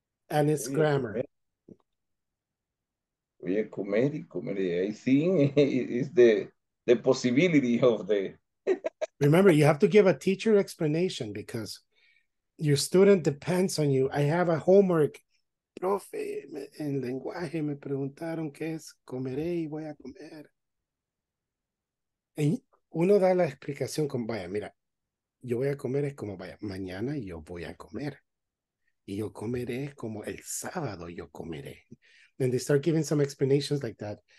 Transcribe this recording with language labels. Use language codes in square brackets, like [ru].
[en] And it's grammar. [es] Voy a comer y comer. [en] I think it's the possibility of the... Remember, you have to give a teacher explanation because your student depends on you. I have a homework. [es] Profe, en lenguaje me preguntaron qué es comeré y voy a comer. Y uno da la explicación con vaya, mira, yo voy a comer es como vaya, mañana yo voy a comer. Y yo comeré es como el sábado yo comeré. [en] Then they start giving some explanations like that.